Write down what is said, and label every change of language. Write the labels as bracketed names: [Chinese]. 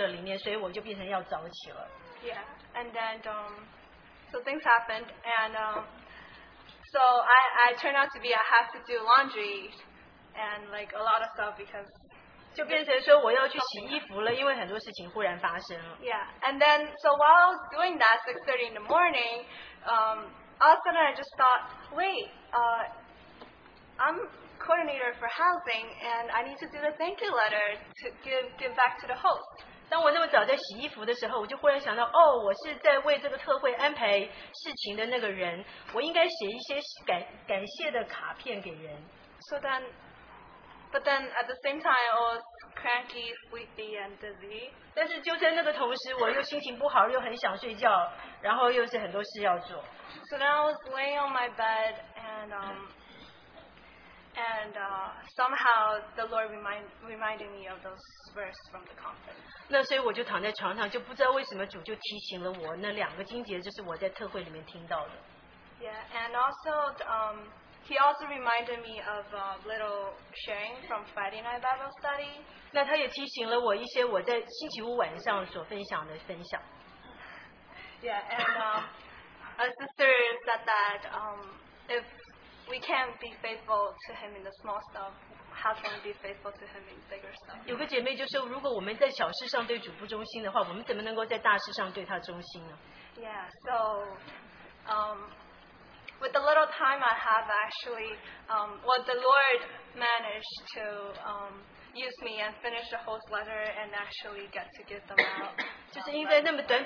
[Chinese] 今天早上因为有一些意外发生在我的宿舍里面，所以我就变成要早起了。Yeah, [English] and then so things happened, and so I turned out to be I have to do laundry and like a lot of stuff because [Chinese] 就变成说我要去洗衣服了，因为很多事情忽然发生了。Yeah, [English] and then so while I was doing that, 6:30 in the morning, all of a sudden I just thought, wait, I'm coordinator for housing, and I need to do the thank you letter to give back to the host. [Chinese] 当我那么早在洗衣服的时候，我就忽然想到，哦，我是在为这个特会安排事情的那个人，我应该写一些感谢的卡片给人。So [English] then, but then at the same time, I was cranky, sleepy, and dizzy. [Chinese] 但是就在那个同时，我又心情不好，又很想睡觉，然后又是很多事要做。 [English] So then I was laying on my bed, and And somehow the Lord reminded me of those verses from the conference. [Chinese] 那所以我就躺在床上，就不知道为什么主就提醒了我那两个经节，就是我在特会里面听到的。 [English] Yeah, and also he also reminded me of a little sharing from Friday night Bible study. [Chinese] 那他也提醒了我一些我在星期五晚上所分享的分享。 [English] Yeah, and a sister said that if we can't be faithful to him in the small stuff, how can we be faithful to him in bigger stuff? [Chinese] 有个姐妹就说，如果我们在小事上对主不忠心的话，我们怎么能够在大事上对他忠心呢？ [English] Yeah, so with the little time I have, actually, what the Lord managed to use me and finish the whole letter and actually get to give them out.